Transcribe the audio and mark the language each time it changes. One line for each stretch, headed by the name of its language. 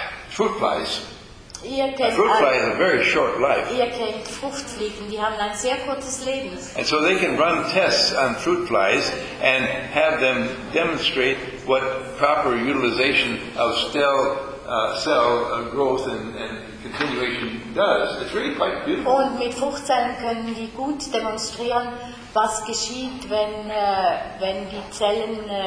English: Fruit flies. Fruit flies have a very short life.
German: Ihr kennt Fruchtfliegen, die haben ein sehr kurzes Leben.
English: And so they can run tests on fruit flies and have them demonstrate what proper utilization of cell growth and continuation does. It's really quite beautiful.
German: Und mit Fruchtzellen können die gut demonstrieren, was geschieht, wenn die Zellen